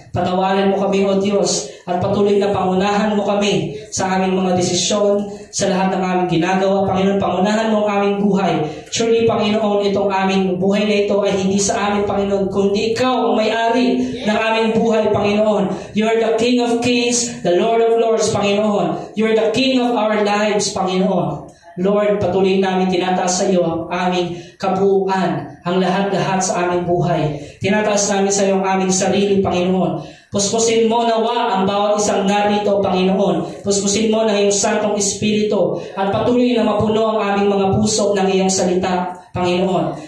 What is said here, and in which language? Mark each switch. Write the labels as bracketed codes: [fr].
[tl] Patawarin mo kami, O Diyos, at patuloy na pangunahan mo kami sa aming mga desisyon, sa lahat ng aming ginagawa. Panginoon, pangunahan mo ang aming buhay. Surely, Panginoon, itong aming buhay na ito ay hindi sa amin, Panginoon, kundi Ikaw ang may-ari ng aming buhay, Panginoon. [en] You are the King of Kings, the Lord of Lords, Panginoon. You are the King of our lives, Panginoon. [tl] Lord, patuloy namin tinataas sa iyo ang aming kabuuan, ang lahat-lahat sa aming buhay. Tinataas namin sa iyo ang aming sarili, Panginoon. Puspusin mo nawa ang bawat isang narito, Panginoon. Puspusin mo na iyong Santong Espiritu at patuloy na mapuno ang aming mga puso ng iyong salita, Panginoon.